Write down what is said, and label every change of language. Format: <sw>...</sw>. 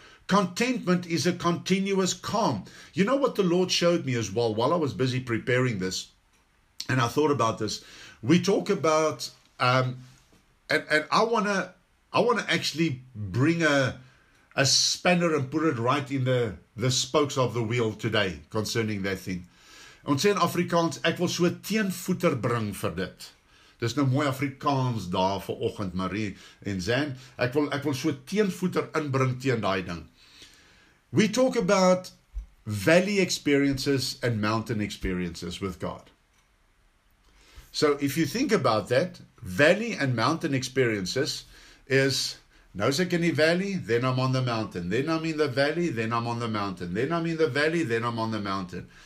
<en>Contentment is a continuous calm. You know what the Lord showed me as well while I was busy preparing this, and I thought about this. We talk about... And I wanna actually bring a spanner and put it right in the spokes of the wheel today concerning that thing.</en> <af>Ons sê in Afrikaans, ek wil so 'n teenvoeter bring vir dit. Dis nou mooi Afrikaans daar vir oggend, Marie en Zan. Ek wil so 'n teenvoeter inbring teen daai ding.</af> <en>We talk about valley experiences and mountain experiences with God. So if you think about that, valley and mountain experiences is,</en> <af>nou's ek in die</af> <en>valley, then I'm on the mountain. Then I'm in the valley, then I'm on the mountain. Then I'm in the valley, then I'm on the mountain.</en>